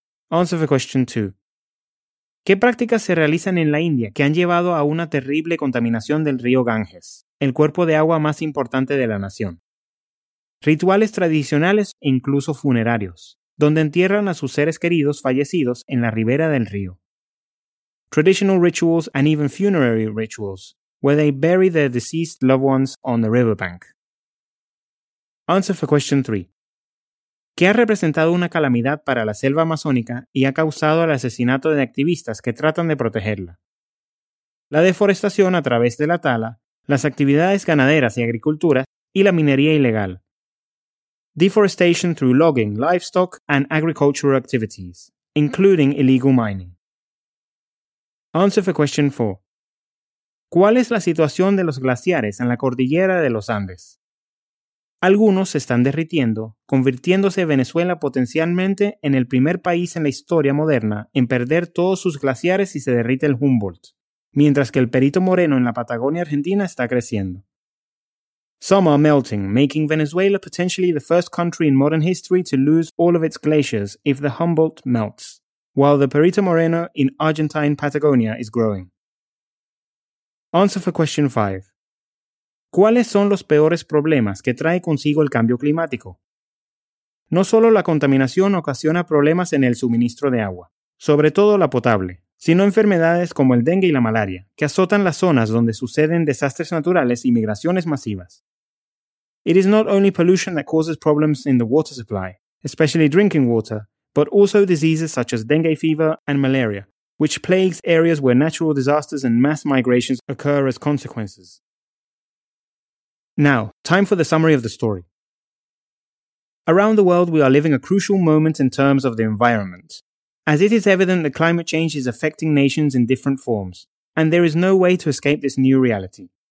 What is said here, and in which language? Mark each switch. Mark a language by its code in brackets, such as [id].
[es] Answer for question 2. ¿Qué prácticas se realizan en la India que han llevado a una terrible contaminación del río Ganges, el cuerpo de agua más importante de la nación? Rituales tradicionales e incluso funerarios, donde entierran a sus seres queridos fallecidos en la ribera del río. [en] Traditional rituals and even funerary rituals, where they bury their deceased loved ones on the riverbank. Answer for question 3. [es] ¿Qué ha representado una calamidad para la selva amazónica y ha causado el asesinato de activistas que tratan de protegerla? La deforestación a través de la tala, las actividades ganaderas y agricultura y la minería ilegal. [en] Deforestation through logging, livestock and agricultural activities, including illegal mining. Answer for question 4. [es] ¿Cuál es la situación de los glaciares en la cordillera de los Andes? Algunos se están derritiendo, convirtiéndose Venezuela potencialmente en el primer país en la historia moderna en perder todos sus glaciares si se derrite el Humboldt, mientras que el Perito Moreno en la Patagonia Argentina está creciendo. [en] Some are melting, making Venezuela potentially the first country in modern history to lose all of its glaciers if the Humboldt melts, while the Perito Moreno in Argentine Patagonia is growing. Answer for question 5. [es] ¿Cuáles son los peores problemas que trae consigo el cambio climático? No solo la contaminación ocasiona problemas en el suministro de agua, sobre todo la potable, sino enfermedades como el dengue y la malaria, que azotan las zonas donde suceden desastres naturales y migraciones masivas. [en] It is not only pollution that causes problems in the water supply, especially drinking water, but also diseases such as dengue fever and malaria, which plagues areas where natural disasters and mass migrations occur as consequences. Now, time for the summary of the story. Around the world, we are living a crucial moment in terms of the environment, as it is evident that climate change is affecting nations in different forms, and there is no way to escape this new reality.